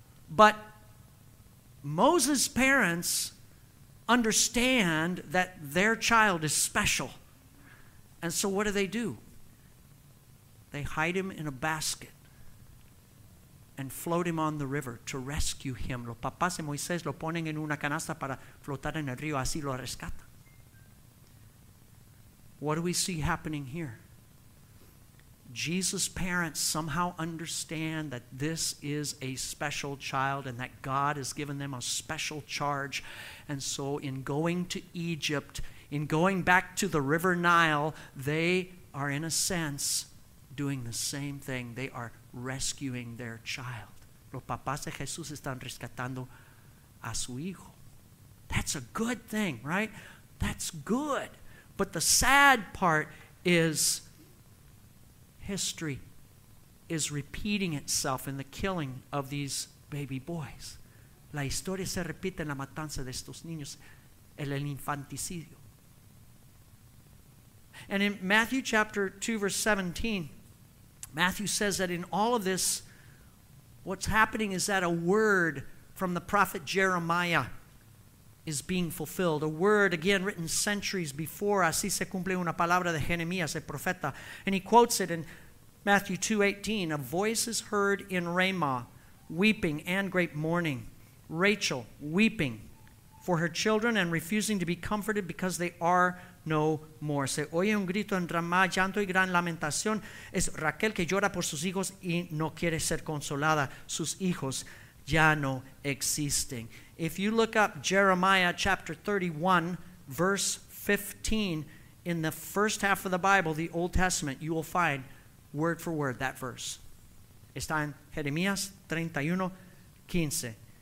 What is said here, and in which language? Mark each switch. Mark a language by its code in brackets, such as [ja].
[en] But Moses' parents understand that their child is special. And so what do? They hide him in a basket and float him on the river to rescue him. [es] Los papás de Moisés lo ponen en una canasta para flotar en el río, así lo rescatan. [en] What do we see happening here? Jesus' parents somehow understand that this is a special child and that God has given them a special charge. And so in going to Egypt, in going back to the River Nile, they are in a sense doing the same thing. They are rescuing their child. [es] Los papás de Jesús están rescatando a su hijo. [en] That's a good thing, right? That's good. But the sad part is history is repeating itself in the killing of these baby boys. [es] La historia se repite en la matanza de estos niños, el infanticidio. [en] And in Matthew chapter 2, verse 17, Matthew says that in all of this, what's happening is that a word from the prophet Jeremiah is being fulfilled. A word, again, written centuries before. [es] Así se cumple una palabra de Jeremías, el profeta. [en] And he quotes it in Matthew 2:18, a voice is heard in Ramah, weeping and great mourning. Rachel, weeping for her children and refusing to be comforted because they are no more. [es] Se oye un grito en Ramá, llanto y gran lamentación. Es Raquel que llora por sus hijos y no quiere ser consolada. Sus hijos ya no existen. [en] If you look up Jeremiah chapter 31, verse 15, in the first half of the Bible, the Old Testament, you will find word for word that verse. [es] Está en Jeremías 31, 15.